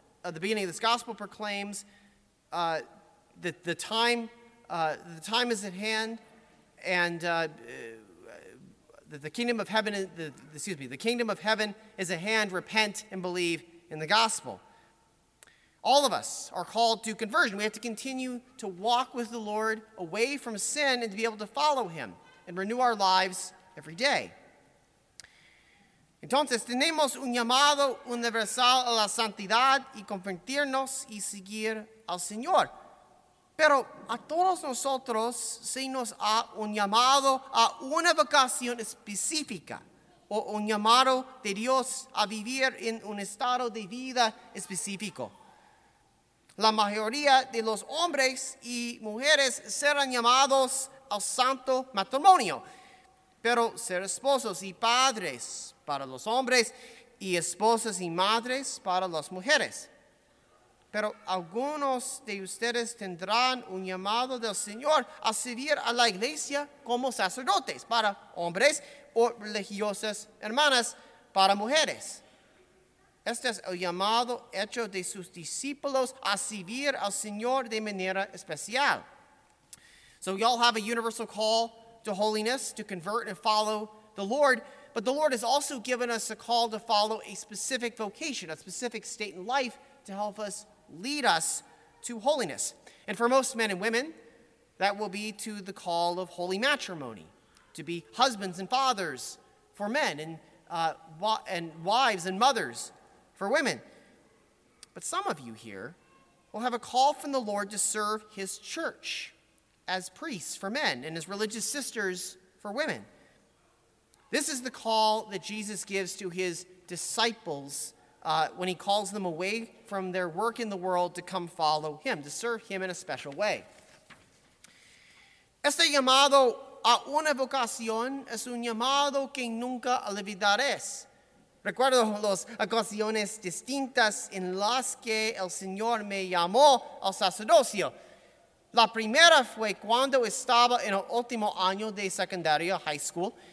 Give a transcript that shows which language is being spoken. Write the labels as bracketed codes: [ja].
[en] The beginning of this gospel proclaims that the time is at hand, and the kingdom of heaven is at hand. Repent and believe in the gospel. All of us are called to conversion. We have to continue to walk with the Lord away from sin and to be able to follow him and renew our lives every day. [es] Entonces, tenemos un llamado universal a la santidad y convertirnos y seguir al Señor. Pero a todos nosotros se nos ha un llamado a una vocación específica, o un llamado de Dios a vivir en un estado de vida específico. La mayoría de los hombres y mujeres serán llamados al santo matrimonio, pero ser esposos y padres para los hombres y esposas y madres para las mujeres. Pero algunos de ustedes tendrán un llamado del Señor a servir a la iglesia como sacerdotes para hombres o religiosas hermanas para mujeres. Este es el llamado hecho de sus discípulos a servir al Señor de manera especial. [en] So we all have a universal call to holiness, to convert and follow the Lord. But the Lord has also given us a call to follow a specific vocation, a specific state in life to help us lead us to holiness. And for most men and women, that will be to the call of holy matrimony, to be husbands and fathers for men, and wives and mothers for women. But some of you here will have a call from the Lord to serve his church as priests for men and as religious sisters for women. This is the call that Jesus gives to his disciples when he calls them away from their work in the world to come follow him, to serve him in a special way. [es] Este llamado a una vocación es un llamado que nunca olvidarás. Recuerdo las ocasiones distintas en las que el Señor me llamó al sacerdocio. La primera fue cuando estaba en el último año de secundaria, [en] high school.